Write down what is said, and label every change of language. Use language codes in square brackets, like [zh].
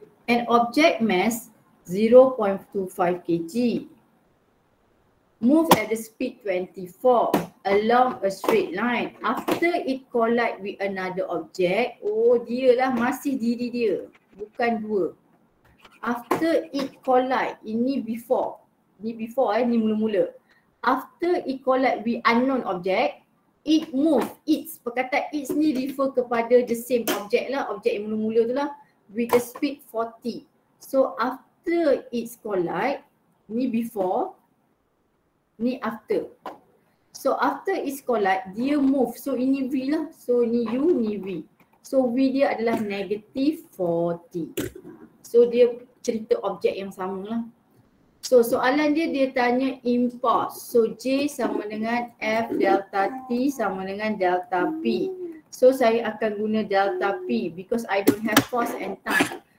[en] An object mass 0.25 kg move at the speed 24 along a straight line after it collide with another object. [ms] Oh dia lah, masih diri dia, bukan dua. [en] After it collide, [ms] ini before, ni before ni mula-mula. [en] After it collide with unknown object, it move, its, perkataan its ni refer kepada the same object lah, [ms] objek yang mula-mula tu lah, [en] with the speed 40. So after its collide, ni before, ni after. So after its collide, [ms] dia move. So ini V lah. So ni U, ni V. So V dia adalah negative 40. So dia cerita objek yang sama lah. So soalan dia, dia tanya impulse. So J sama dengan F delta T sama dengan delta P. [en] So [ms] saya akan guna [en] delta P because I don't have force and time.